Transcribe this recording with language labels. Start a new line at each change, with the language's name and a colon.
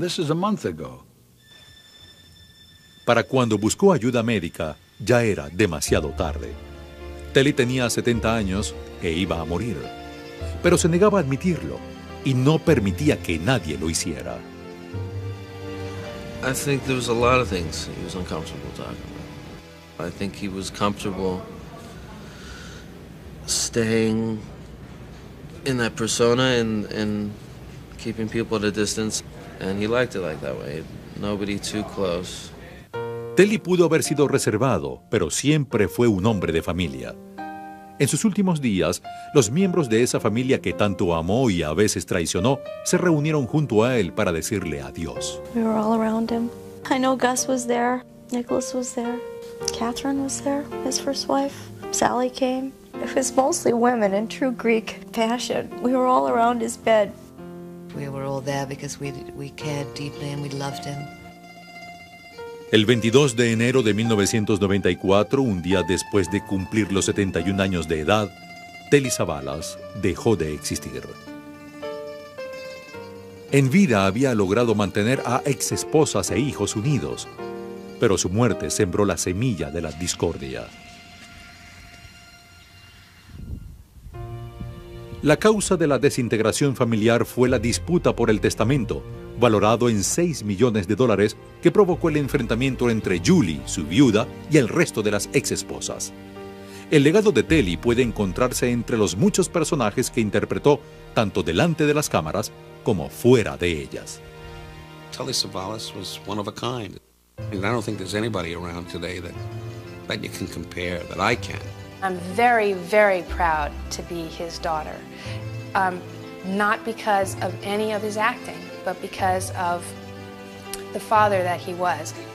English: This is a month ago.
Spanish: Para cuando buscó ayuda médica, ya era demasiado tarde. Telly tenía 70 años e iba a morir. Pero se negaba a admitirlo y no permitía que nadie lo hiciera.
English: I think there was a lot of things he was uncomfortable talking about. I think he was comfortable staying in that persona and keeping people at a distance, and he liked it like that way. Nobody too close.
Spanish: Telly pudo haber sido reservado, pero siempre fue un hombre de familia. En sus últimos días, los miembros de esa familia que tanto amó y a veces traicionó se reunieron junto a él para decirle adiós.
English: We were all around him. I know Gus was there. Nicholas was there. Catherine was there, his first wife. Sally came. It was mostly women in true Greek fashion. We were all around his bed. We were all there because we cared deeply and we loved him.
Spanish: El 22 de enero de 1994, un día después de cumplir los 71 años de edad, Telly Savalas dejó de existir. En vida había logrado mantener a exesposas e hijos unidos, pero su muerte sembró la semilla de la discordia. La causa de la desintegración familiar fue la disputa por el testamento, valorado en 6 millones de dólares, que provocó el enfrentamiento entre Julie, su viuda, y el resto de las exesposas. El legado de Telly puede encontrarse entre los muchos personajes que interpretó tanto delante de las cámaras como fuera de ellas.
English: Telly Savalas was one of a kind. And I don't think there's anybody around today that you can compare, that I can. I'm very, very proud to be his daughter. Not because of any of his acting, but because of the father that he was.